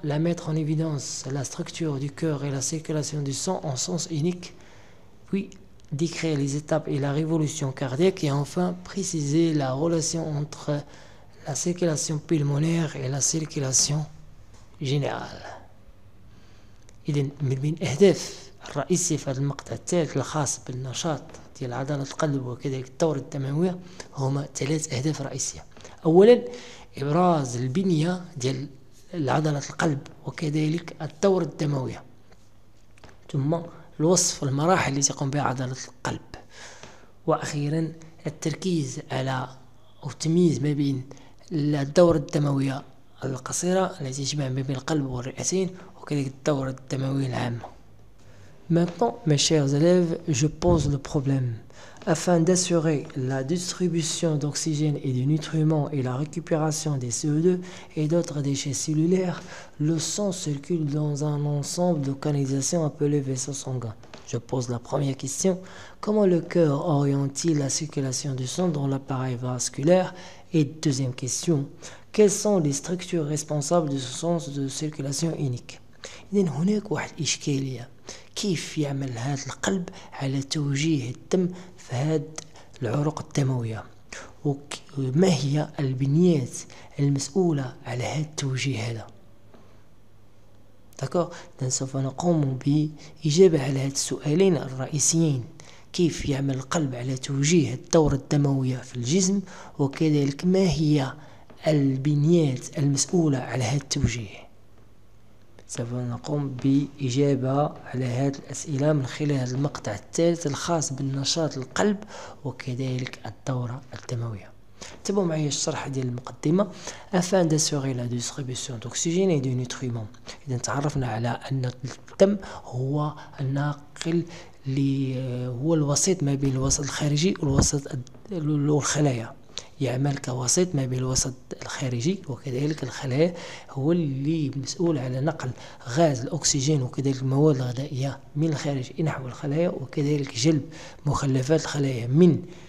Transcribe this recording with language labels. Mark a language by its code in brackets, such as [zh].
[fr] La mettre en évidence, la structure du cœur et la circulation du sang en sens unique. Puis, décrire les étapes et la révolution cardiaque. Et enfin, préciser la relation entre la circulation pulmonaire et la circulation générale. [ar] إذن من الأهداف الرئيسية في هذا المقطع الثالث الخاص بالنشاط ديال عضلة القلب وكذلك الدورة الدموية هما ثلاث أهداف رئيسية. اولا ابراز البنيه ديال عضله القلب وكذلك الدوره الدمويه ثم الوصف المراحل التي تقوم بها عضله القلب واخيرا التركيز على او التمييز ما بين الدوره الدمويه القصيره التي تجمع ما بين القلب والرئتين وكذلك الدوره الدمويه العامه. [fr] Maintenant, mes chers élèves, je pose le problème. Afin d'assurer la distribution d'oxygène et de nutriments et la récupération des CO2 et d'autres déchets cellulaires, le sang circule dans un ensemble de canalisations appelées vaisseaux sanguins. Je pose la première question. Comment le cœur oriente-t-il la circulation du sang dans l'appareil vasculaire? Et deuxième question. Quelles sont les structures responsables de ce sens de circulation unique? [ar] إذن هناك واحد إشكالية كيف يعمل هذا القلب على توجيه الدم في هذا العروق الدموية وما هي البنيات المسؤولة على هذا التوجيه هذا داكور إذن سوف نقوم بإجابة على هذه السؤالين الرئيسيين كيف يعمل القلب على توجيه الدورة الدموية في الجسم وكذلك ما هي البنيات المسؤولة على هذا التوجيه سوف نقوم بإجابة على هذه الأسئلة من خلال هذا المقطع الثالث الخاص بالنشاط القلب وكذلك الدورة الدموية. تابعوا معي الشرح ديال المقدمة. [fr] Afin d'assurer la distribution d'oxygène et de nutriments. [ar] إذن تعرفنا على أن الدم هو الناقل هو الوسيط ما بين الوسط الخارجي والوسط الخلايا. يعمل كوسيط ما بين الوسط الخارجي وكذلك الخلايا هو اللي مسؤول على نقل غاز الأكسجين وكذلك المواد الغذائية من الخارج نحو الخلايا وكذلك جلب مخلفات الخلايا من